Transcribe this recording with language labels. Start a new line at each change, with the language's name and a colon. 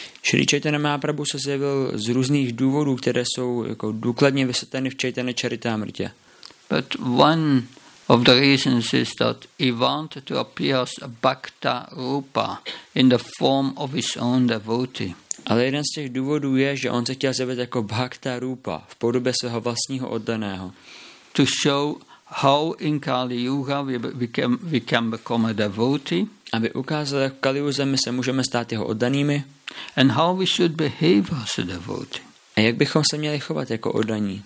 Czech: Shri Chaitanya Mahaprabhu se zjevil z různých důvodů, které jsou jako důkladně vysvětleny v Chaitanya Charitamrita.
English: But one of the reasons is that he wanted to appear as a Bhakta Rupa in the form of his own devotee.
Czech: Ale jeden z těch důvodů je, že on se chtěl zjevit jako Bhakta Rupa v podobě svého vlastního oddaného.
English: To show how in Kali Yuga we can become a devotee.
Czech: Aby ukázal, jak v Kali Yuze my se můžeme stát jeho oddanými.
English: And how we should behave as a devotee.
Czech: A jak bychom se měli chovat jako oddaní.